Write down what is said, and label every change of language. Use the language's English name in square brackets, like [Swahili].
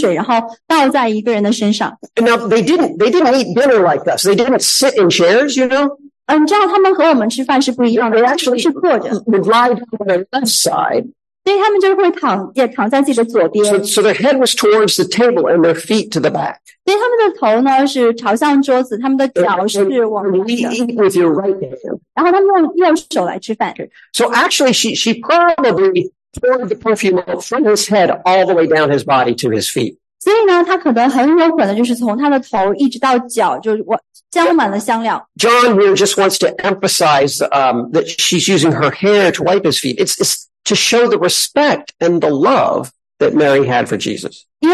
[Chinese] 然后我们就想想看，这个女人好像发疯了一样，把一大瓶的香水，然后倒在一个人的身上。 [English] Now they didn't eat dinner like us. They didn't sit in chairs, you know. [Chinese] 你知道他们和我们吃饭是不一样的。 [English] They actually would lie on their left side. [Chinese] 所以他们就会躺在自己的左边。 [English] So their head was towards the table and their feet to the back. [Chinese] 所以他们的头呢是朝向桌子，他们的脚是往。然后他们用右手来吃饭。 [English] So actually, she probably poured the perfume from his head all the way down his body to his feet. [Chinese] 所以呢，他可能很有可能就是从他的头一直到脚，就我浇满了香料。 [English] John here just wants to emphasize that she's using her hair to wipe his feet. It's to show the respect and the love that Mary had for Jesus.